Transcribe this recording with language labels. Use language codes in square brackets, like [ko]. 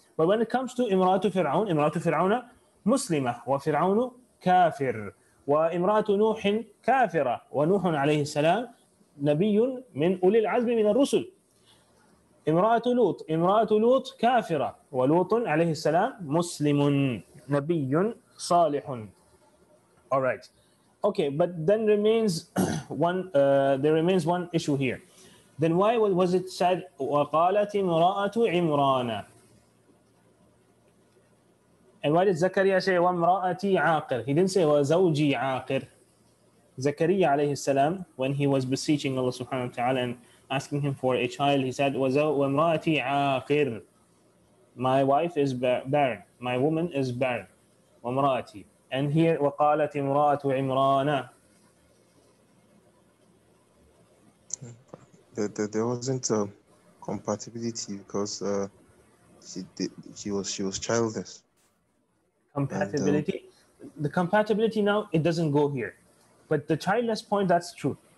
[en] But when it comes to [ar] امرأة فرعون, امرأة فرعون مسلمة وفرعون كافر, وامرأة نوح كافرة, ونوح عليه السلام نبي من أولي العزم من الرسل. امرأة لوط, امرأة لوط كافرة, ولوط عليه السلام مسلم نبي صالح. [en] All right. Okay, but then remains one, there remains one issue here. Then why was it said, [ar] وقالت امرأة عمران؟ [en] And why did زكريا say, [ar] وامرأتي عاقر؟ [en] He didn't say, [ar] وزوجي عاقر. [en] زكريا عليه السلام, when he was beseeching Allah subhanahu wa ta'ala and asking him for a child, he said, [ar] وامرأتي عاقر. [en] My wife is barren. My woman is barren. وامرأتي. And here, [ar] وقالت امرأة عمران. [en] There wasn't a compatibility because she was childless. Compatibility. And, the compatibility now, it doesn't go here. But the childless point, that's true.